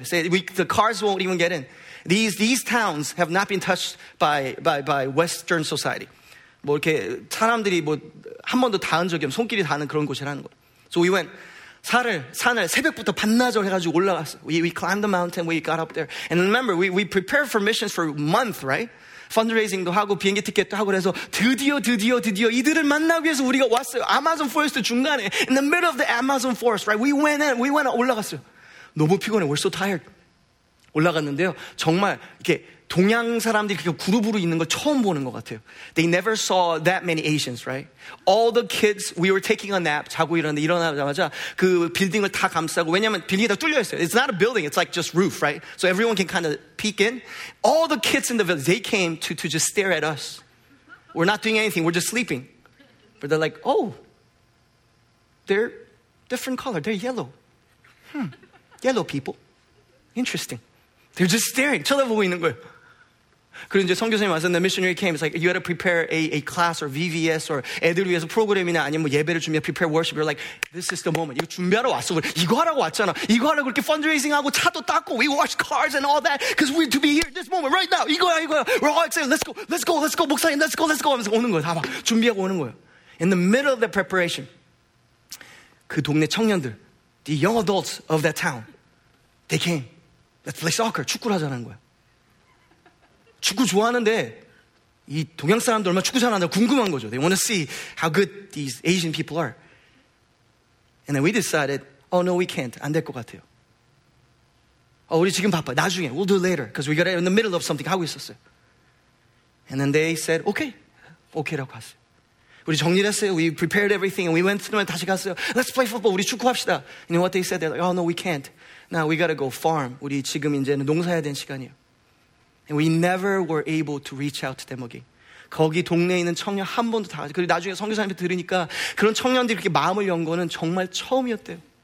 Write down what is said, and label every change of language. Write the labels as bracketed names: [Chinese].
[English] Say the cars won't even get in. These towns have not been touched by Western society. [Korean] 뭐 이렇게 사람들이 뭐 한 번도 닿은 적이 없는 손길이 닿는 그런 곳이라는 거. [English] So we went. [Korean] 산을 새벽부터 반나절 해가지고 올라갔어요. [English] We climbed the mountain. We got up there. And remember, we prepared for missions for a month, right? [Korean] Fundraising도 하고 비행기 티켓도 하고 그래서 드디어 이들을 만나기 위해서 우리가 왔어요. [English] Amazon Forest [Korean] 중간에 [English] in the middle of the Amazon Forest, right? We went in, [Korean] 올라갔어요. 너무 피곤해. [English] We're so tired. [Korean] 올라갔는데요. 정말 이렇게 동양 사람들이 그렇게 그룹으로 있는 걸 처음 보는 것 같아요. [English] They never saw that many Asians, right? All the kids, we were taking a nap, [Korean] 자고 일어났는데 일어나자마자 그 빌딩을 다 감싸고, 왜냐면 빌딩이 다 뚫려 있어요. [English] It's not a building, it's like just roof, right? So everyone can kind of peek in. All the kids in the village, they came to just stare at us. We're not doing anything, we're just sleeping. But they're like, oh, they're different color, they're yellow. Yellow people, interesting. They're just staring, [Korean] 쳐다보고 있는 거예요. 그리고 이제 선교사님 와서 [English] the missionary came. It's like you had to prepare a class or VVS or [Korean] 애들 위해서 프로그램이나 아니면 뭐 예배를 준비해 [English] prepare worship. You're like this is the moment. [Korean] 이거 준비하러 왔어. 이거 하라고 왔잖아. 이거 하라고 이렇게 [English] fundraising 하고 [Korean] 차도 닦고 [English] we wash cars and all that because we're to be here this moment right now. [Korean] 이거야 이거야. [English] We're all excited. Let's go. Let's go. Let's go. 목사님 let's go. Let's go. [Korean] 하면서 오는 거야. 다 막 준비하고 오는 거야. [English] In the middle of the preparation, [Korean] 그 동네 청년들, [English] the young adults of that town, they came. Let's play soccer. [Korean] 축구를 하자는 거야. 축구 좋아하는데 이 동양 사람들 얼마나 축구 잘하는지 궁금한 거죠. [English] They want to see how good these Asian people are. And then we decided, oh no, we can't. [Korean] 안 될 것 같아요. 어, 우리 지금 바빠. 나중에. [English] We'll do it later. Because we got in the middle of something [Korean] 하고 있었어요. [English] And then they said, okay. Okay라고 [Korean] 갔어요. 우리 정리를 했어요. [English] We prepared everything and we went through and [Korean] 다시 갔어요. [English] Let's play football. [Korean] 우리 축구합시다. [English] You know what they said? They're like, oh no, we can't. Now we got to go farm. [Korean] 우리 지금 이제는 농사해야 되는 시간이에요. [English] And we never were able to reach out to them again. [Korean] 거기 동네에 있는 청년 한 번도 다 가지. 그리고 나중에 선교사님한테 들으니까 그런 청년들이 이렇게 마음을 연 거는 정말 처음이었대요.